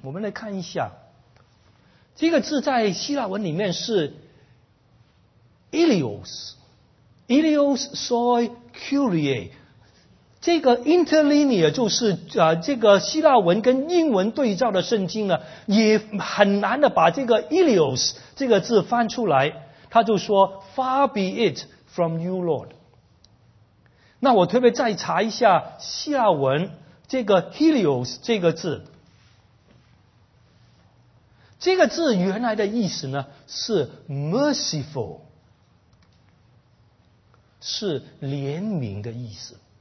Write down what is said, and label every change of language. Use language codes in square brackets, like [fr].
[zh] 我们来看一下，这个字在希腊文里面是 [el] Ilios soi curiae， [zh] 这个 interlinear 就是这个希腊文跟英文对照的圣经呢，也很难的把这个 Ilios 这个字翻出来。 [en] 他就说 Far be it from you Lord。 [zh] 那我特别再查一下希腊文这个 Helios 这个字，这个字原来的意思呢是 merciful， 是怜悯的意思。